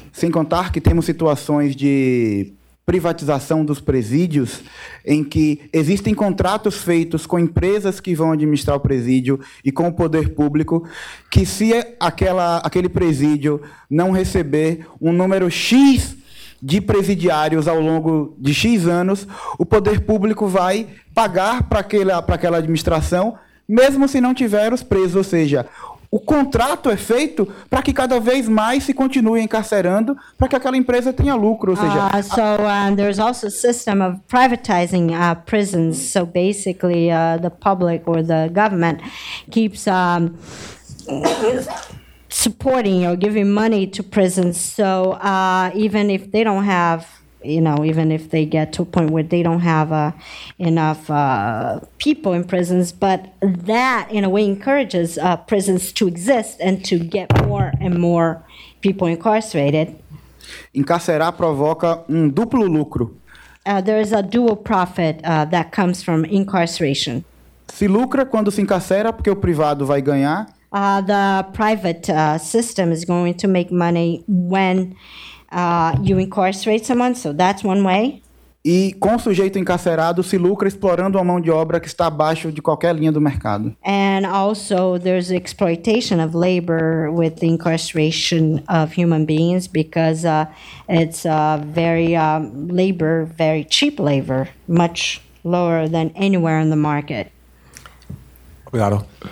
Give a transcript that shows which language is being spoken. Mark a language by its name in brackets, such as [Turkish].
[Portuguese] Sem contar que temos situações de privatização dos presídios, em que existem contratos feitos com empresas que vão administrar o presídio e com o poder público, que se aquele presídio não receber um número X de presidiários ao longo de X anos, o poder público vai pagar para aquela administração, mesmo se não tiver os presos. Ou seja, o contrato é feito para que cada vez mais se continue encarcerando, para que aquela empresa tenha lucro. Ou seja, [English] There's also a system of privatizing prisons. So basically, the public or the government keeps supporting or giving money to prisons. So even if they don't have, you know, even if they get to a point where they don't have enough people in prisons, but that in a way encourages prisons to exist and to get more and more people incarcerated. [Portuguese] Encarcerar provoca duplo lucro. [English] There is a dual profit that comes from incarceration. [Portuguese] Se lucra quando se encarcera, porque o privado vai ganhar. [English] The private system is going to make money when you incarcerate someone, so that's one way. [Portuguese] E com o sujeito encarcerado se lucra explorando a mão de obra que está abaixo de qualquer linha do mercado. [English] And also there's exploitation of labor with the incarceration of human beings because it's very cheap labor, much lower than anywhere in the market. [Portuguese] Cuidado.